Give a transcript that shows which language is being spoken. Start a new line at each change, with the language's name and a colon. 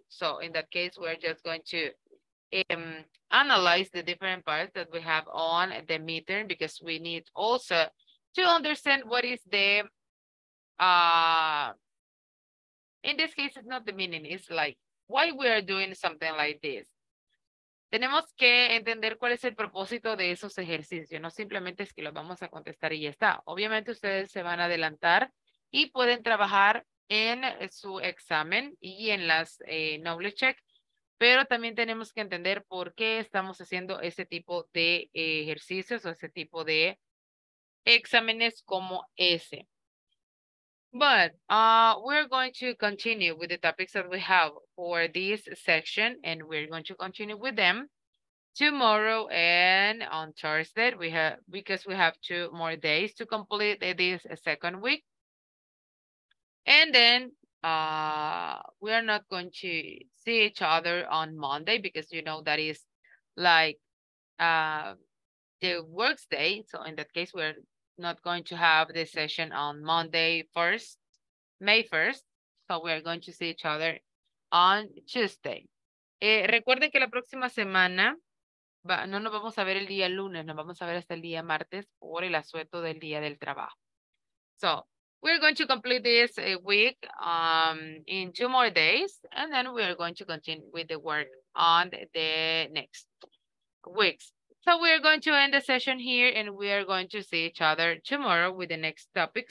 English: So in that case, we're just going to analyze the different parts that we have on the midterm, because we need also to understand what is the, in this case, it's not the meaning, it's like why we are doing something like this.
Spanish: Tenemos que entender cuál es el propósito de esos ejercicios. No simplemente es que los vamos a contestar y ya está. Obviamente ustedes se van a adelantar y pueden trabajar en su examen y en las knowledge check. Pero también tenemos que entender por qué estamos haciendo ese tipo de ejercicios o ese tipo de exámenes como ese.
English: But we're going to continue with the topics that we have for this section, and we're going to continue with them tomorrow and on Thursday. We have, because we have two more days to complete this second week. And then we are not going to see each other on Monday, because you know that is like the works day. So in that case, we're not going to have this session on Monday first, May 1st. So we are going to see each other on Tuesday.
Spanish: Recuerden que la próxima semana No nos vamos a ver el día lunes, nos vamos a ver hasta el día martes por el asueto del día del trabajo.
English: So, we're going to complete this week in 2 more days, and then we're going to continue with the work on the next weeks. So we're going to end the session here, and we are going to see each other tomorrow with the next topic.